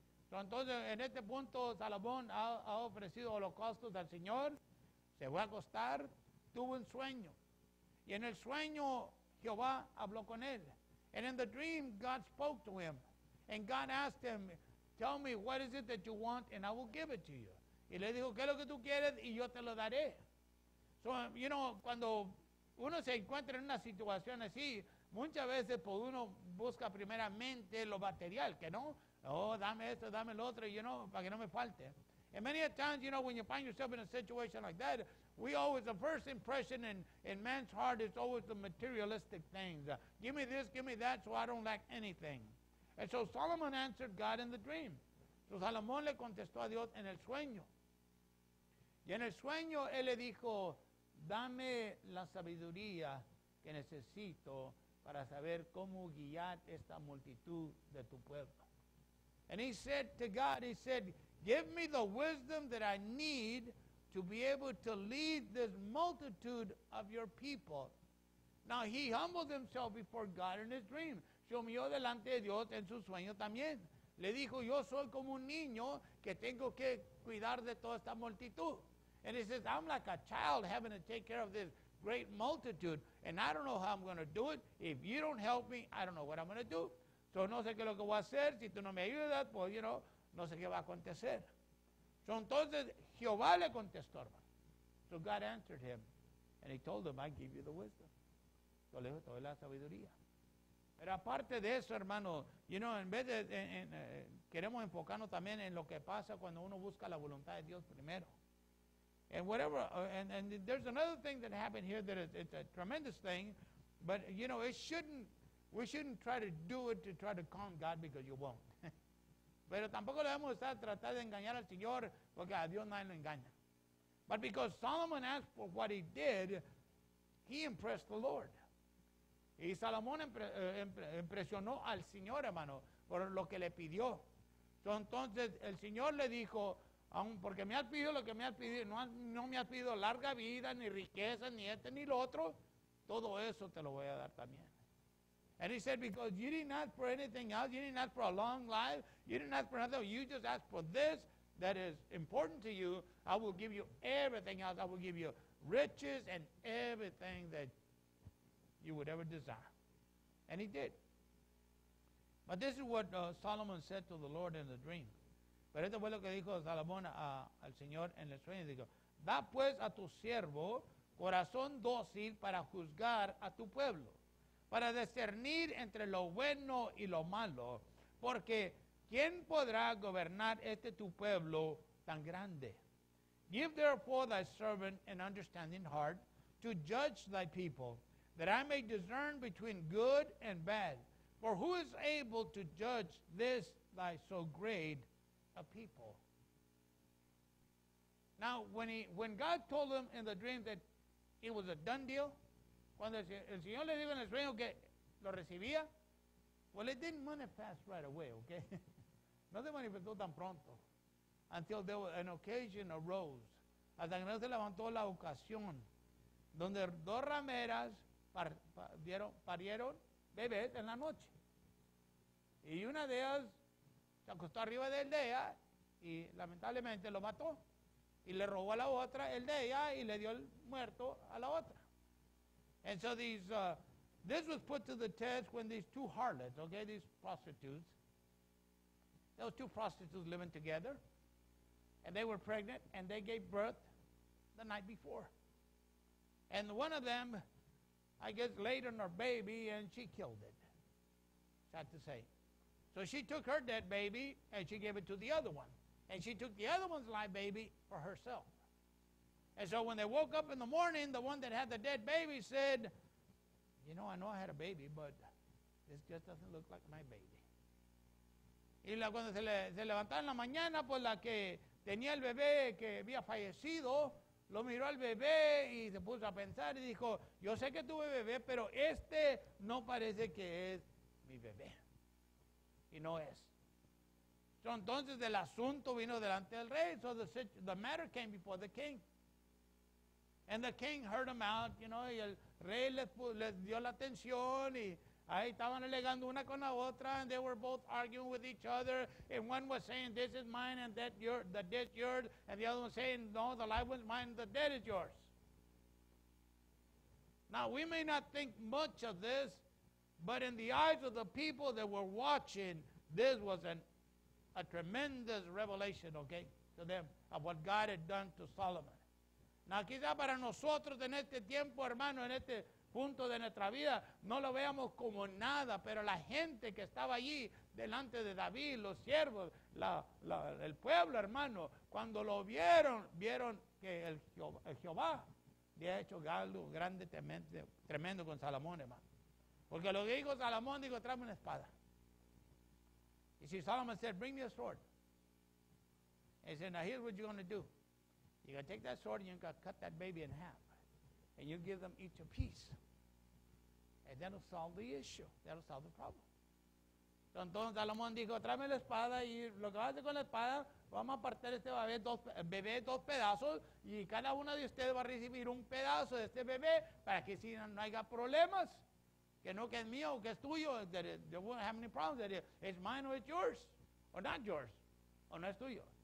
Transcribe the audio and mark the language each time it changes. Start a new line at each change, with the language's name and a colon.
Spanish: So entonces, en este punto, Salomón ha ofrecido holocaustos al Señor. Se fue a acostar, tuvo un sueño. Y en el sueño, Jehová habló con él.
English: And in the dream, God spoke to him. And God asked him, tell me, what is it that you want, and I will give it to you.
Spanish: Y le dijo, ¿qué es lo que tú quieres? Y yo te lo daré.
English: So, you know,
Spanish: cuando uno se encuentra en una situación así, muchas veces pues, uno busca primeramente lo material, que no, oh, dame esto, dame el otro,
English: you know,
Spanish: para que no me falte.
English: And many a times, you know, when you find yourself in a situation like that, we always, the first impression in man's heart is always the materialistic things. Give me this, give me that, so I don't lack anything. And so Solomon answered God in the dream.
Spanish: So Salomón le contestó a Dios en el sueño. Y en el sueño, él le dijo, dame la sabiduría que necesito para saber cómo guiar esta multitud de tu pueblo.
English: And he said to God, he said, give me the wisdom that I need to be able to lead this multitude of your people. Now he humbled himself before God in his dream.
Spanish: Se humilló delante de Dios en su sueño también. Le dijo, yo soy como un niño que tengo que cuidar de toda esta multitud.
English: And he says, I'm like a child having to take care of this great multitude. And I don't know how I'm going to do it. If you don't help me, I don't know what I'm going to do.
Spanish: So no sé qué es lo que voy a hacer. Si tú no me ayudas, pues,
English: you know,
Spanish: no sé qué va a acontecer. So entonces, Jehová le contestó, hermano.
English: So God answered him. And he told him, I give you the wisdom.
Spanish: Yo le dije, te doy la sabiduría. Pero aparte de eso, hermano,
English: you know,
Spanish: en vez de, queremos enfocarnos también en lo que pasa cuando uno busca la voluntad de Dios primero.
English: And whatever, and there's another thing that happened here that it's a tremendous thing, but, you know, we shouldn't try to do it to try to calm God because you won't.
Spanish: Pero tampoco le vamos a estar tratando de engañar al Señor porque a Dios nadie lo engaña.
English: But because Solomon asked for what he did, he impressed the Lord.
Spanish: Y Salomón impresionó al Señor, hermano, por lo que le pidió. So, entonces, el Señor le dijo, porque me has pedido lo que me has pedido, no me has pedido larga vida, ni riqueza, ni este, ni lo otro. todo eso te lo voy a dar también.
English: And he said, because you didn't ask for anything else, you didn't ask for a long life, you didn't ask for nothing, you just asked for this that is important to you, I will give you everything else, I will give you riches and everything that you would ever desire. And he did. But this is what Solomon said to the Lord in the dream.
Spanish: Pero esto fue lo que dijo Salomón al Señor en el sueño. Dijo, da pues a tu siervo corazón dócil para juzgar a tu pueblo, para discernir entre lo bueno y lo malo, porque ¿quién podrá gobernar este tu pueblo tan grande?
English: Give therefore thy servant an understanding heart to judge thy people, that I may discern between good and bad. For who is able to judge this thy so great a people? Now, when God told him in the dream that it was a done deal,
Spanish: cuando el Señor le dijo en el sueño que lo recibía,
English: well, it didn't manifest right away, okay?
Spanish: No se manifestó tan pronto.
English: Until there was an occasion arose.
Spanish: Hasta que no se levantó la ocasión donde dos rameras parieron bebés en la noche. Y una de ellas se acostó arriba del de ella y lamentablemente lo mató. Y le robó a la otra el de ella y le dio el muerto a la otra.
English: And so this was put to the test when these two harlots, okay, these prostitutes, those two prostitutes living together, and they were pregnant, and they gave birth the night before. And one of them, I guess, laid on her baby, and she killed it, sad to say. So she took her dead baby, and she gave it to the other one. And she took the other one's live baby for herself. And so when they woke up in the morning, the one that had the dead baby said, you know I had a baby, but this just doesn't look like my baby.
Spanish: Y cuando se levantaron en la mañana, pues la que tenía el bebé que había fallecido, lo miró al bebé y se puso a pensar y dijo, yo sé que tuve bebé, pero este no parece que es mi bebé. Y no es. So entonces el asunto vino delante del rey.
English: So the matter came before the king. And the king heard him out, you know,
Spanish: y el rey les dio la atención y ahí estaban alegando una con la otra,
English: and they were both arguing with each other, and one was saying, this is mine and that your the dead yours, and the other one saying, no, the life was mine, the dead is yours. Now, we may not think much of this, but in the eyes of the people that were watching, this was a tremendous revelation, okay, to them of what God had done to Solomon.
Spanish: Now, quizá para nosotros en este tiempo, hermano, en este punto de nuestra vida, no lo veamos como nada, pero la gente que estaba allí delante de David, los siervos, el pueblo, hermano, cuando lo vieron, vieron que el Jehová había hecho algo grande, tremendo con Salomón, hermano. Porque lo que dijo Salomón, dijo, tráeme una espada. Y si
English: Solomon said, bring me a sword. He said, now here's what you're going to do. You're going to take that sword and you're going to cut that baby in half. And you give them each a piece. And that'll solve the issue. That'll solve the problem.
Spanish: Entonces Salomón dijo, tráeme la espada y lo que vas a hacer con la espada, vamos a partir este bebé dos pedazos y cada uno de ustedes va a recibir un pedazo de este bebé para que si no haya problemas, que no que es mío o que es tuyo,
English: that you won't have any problems, that it's mine or it's yours, or not yours,
Spanish: or no es tuyo.